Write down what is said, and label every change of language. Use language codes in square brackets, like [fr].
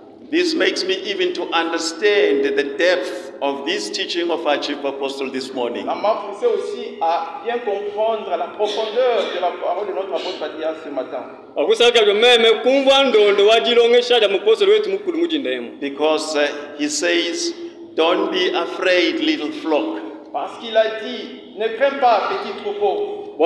[en] This makes me even to understand the depth of this teaching of our chief apostle this morning. [fr] Ça m'a poussé aussi à bien comprendre la profondeur de la parole de notre apôtre Padilla ce matin. [en] Because he says, "Don't be afraid, little flock." [fr] Parce qu'il a dit, ne crains pas, petit troupeau.